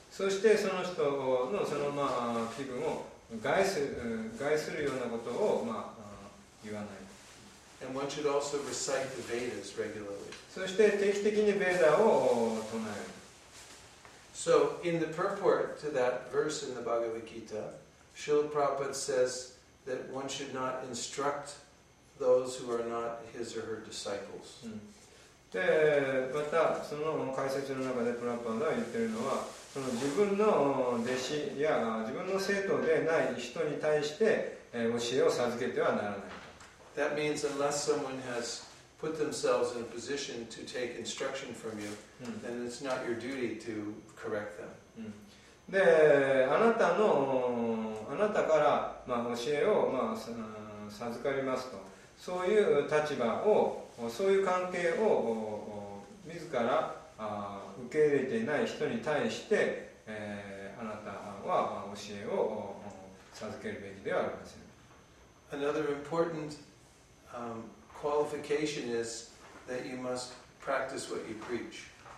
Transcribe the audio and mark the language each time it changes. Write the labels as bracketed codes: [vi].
[ja] そしてその人のその、気分を害するようなことを、言わない。 [en] And one should also recite the Vedas regularly. [ja] そして定期的にベーダを唱える。 [en] So, in the purport to that verse in the Bhagavad Gita, Srila Prabhupada says that one should not instruct those who are not his his or her disciples. [ja] で、またその解説の中でプラッパーが言ってるのは、その自分の弟子や自分の生徒でない人に対して教えを授けてはならない。 [en] That means unless someone has put themselves in a position to take instruction from you, then it's not your duty to correct them. [ja] で、あなたから、まあ、教えを、まあ、授かりますと。そういう立場を、そういう関係を自ら受け入れていない人に対して、あなたは教えを授けるべきではありません。 [en] Another important qualification is that you must practice what you preach.